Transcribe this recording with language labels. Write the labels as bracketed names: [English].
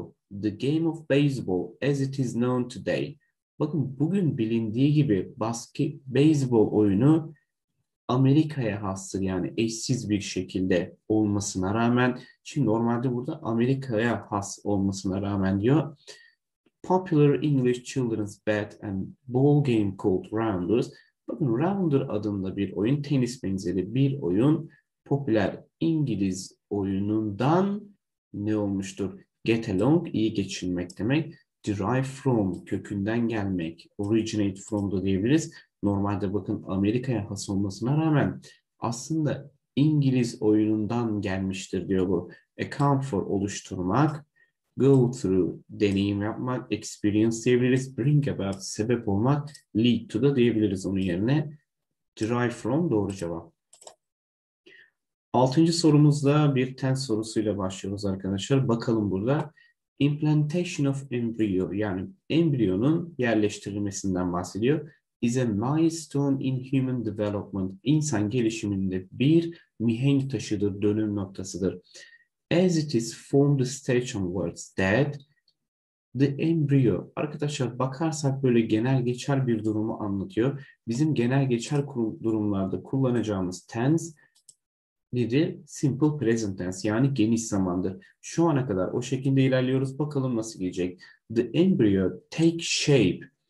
[English] Although the game of baseball as it is known today. [Turkish] Bakın bugün bilindiği gibi beyzbol oyunu Amerika'ya hastır yani eşsiz bir şekilde olmasına rağmen. Şimdi normalde burada Amerika'ya has olmasına rağmen diyor. [English] Popular English children's bat and ball game called rounders. [Turkish] Bakın rounder adında bir oyun, tenis benzeri bir oyun. Popüler İngiliz oyunundan ne olmuştur? [English] Get along, [Turkish] iyi geçinmek demek. [English] Derive from, [Turkish] kökünden gelmek. [English] Originate from [Turkish] da diyebiliriz. Normalde bakın Amerika'ya has olmasına rağmen Aslında İngiliz oyunundan gelmiştir diyor bu. Account oluşturmak, [English] go through [Turkish] deneyim yapmak, experience diyebiliriz, [English] bring about [Turkish] sebep olmak, [English] lead to [Turkish] da diyebiliriz onun yerine. Derive from doğru cevap. Altıncı sorumuzda bir tense sorusuyla başlıyoruz arkadaşlar. Bakalım burada. [English] Implantation of embryo [Turkish] yani embriyonun yerleştirilmesinden bahsediyor. [English] Is a milestone in human development. [Turkish] İnsan gelişiminde bir mihenk taşıdır, dönüm noktasıdır. [English] As it is formed stage onwards that the embryo. [Turkish] Arkadaşlar bakarsak böyle genel geçer bir durumu anlatıyor. Bizim genel geçer durumlarda kullanacağımız tense nedir? [English] Simple present tense [Turkish] yani geniş zamandır. Şu ana kadar o şekilde ilerliyoruz. Bakalım nasıl gelecek. [English] The embryo take shape.